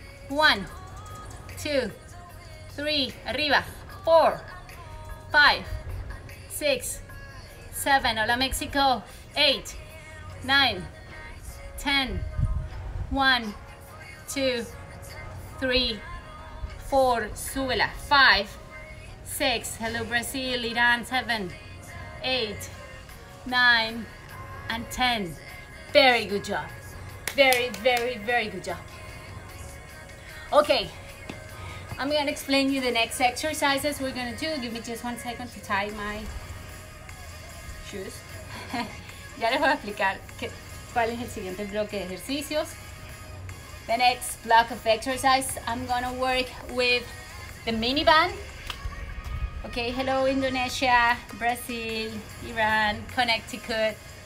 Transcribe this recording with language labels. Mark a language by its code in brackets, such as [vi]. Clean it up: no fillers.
[en] 1, 2, 3, arriba, 4, 5, 6, 7, [es] hola México, [en] 8, 9, 10, 1, 2, 3, 4, súbela, 5, 6, hello Brazil, Irán, 7, 8, 9, and 10. Very good job. Very, very, very good job. Okay, I'm gonna explain you the next exercises we're gonna do. Give me just 1 second to tie my shoes. [es] Ya les voy a explicar cuál es el siguiente bloque de ejercicios. [en] The next block of exercise, I'm gonna work with the minivan. Okay, hello Indonesia, Brazil, Iran, Connecticut.